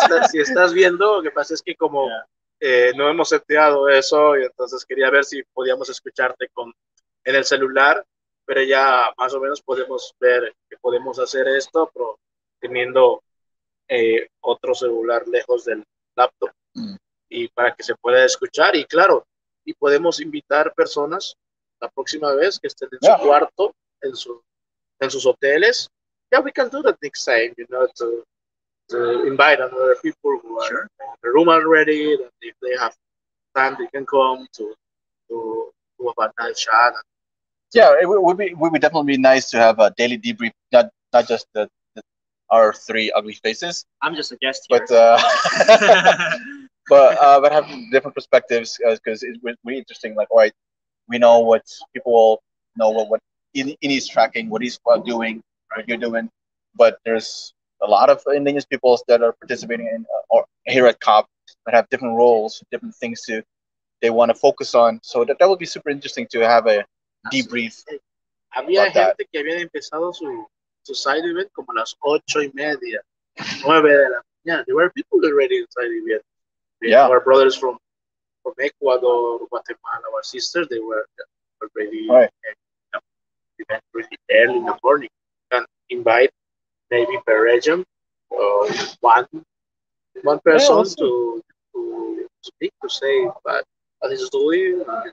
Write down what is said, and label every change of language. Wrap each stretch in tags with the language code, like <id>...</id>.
<es>si estás viendo, lo que pasa es que como no hemos seteado eso, y entonces quería ver si podíamos escucharte en el celular, pero ya más o menos podemos ver que podemos hacer esto, pero teniendo otro celular lejos del laptop. Y para que se pueda escuchar, y claro, y podemos invitar personas la próxima vez que estén en su cuarto, en sus hoteles.</es> <en>Yeah, we can do that next time, you know, to invite another people who are in the room already, and if they have time, they can come to have a nice chat. Yeah, it would be definitely nice to have a daily debrief, not just the our three ugly faces. I'm just a guest here. But, but have different perspectives, because it's really interesting. Like, all right, we know what people know, what Ini is tracking, what he's doing, what you're doing. But there's a lot of indigenous peoples that are participating in or here at COP, that have different roles, different things to they want to focus on. So that would be super interesting to have a debrief.</en> <es>Había gente que había empezado su side event como las 8:30, 9 de la mañana.</es> <en>There were people already inside the event. Yeah. Our brothers from Ecuador, Guatemala, our sisters, they were already really early in the morning. Can invite maybe per region one person to speak, to say what is doing.</en>